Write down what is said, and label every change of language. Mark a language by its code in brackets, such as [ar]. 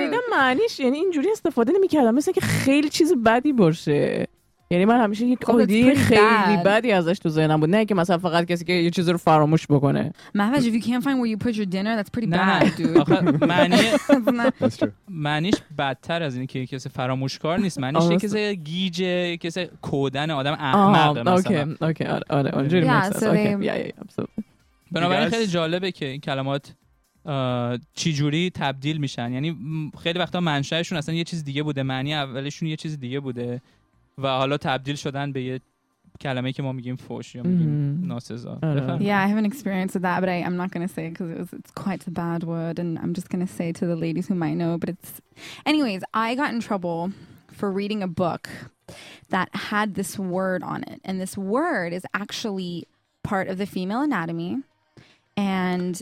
[fa] معنیش یعنی اینجوری استفاده نمی‌کردم، مثلا که خیلی چیز بدی باشه. یعنی من همیشه یک آدی خیلی بدی ازش تو ذهنم بود، نه که مثلا فقط کسی که یه چیز رو فراموش بکنه. [en] محوش، if you can't find where you put your dinner, that's pretty bad, dude. [fa] آخه معنیش بدتر از اینه که یه کسی فراموشکار نیست، معنیش یه کسی گیجه، یه کسی کودن، آدم احمق مثلا. آره، اونجوری مستست. بنابراین خیلی جالبه که این کلمات چجوری تبدیل میشن. یعنی خیلی وقتا منشأشون اصلا یه چیز دیگه بوده، معنی اولشون یه چیز دیگه بوده و حالا تبدیل شدن به یه کلمه که ما میگیم فوش یا میگیم ناسزا. [en] Yeah, I have an experience with that, but I'm not going to say it because it's quite a bad word, and I'm just going to say to the ladies who might know. But it's, anyways, I got in trouble for reading a book that had this word on it, and this word is actually part of the female anatomy, and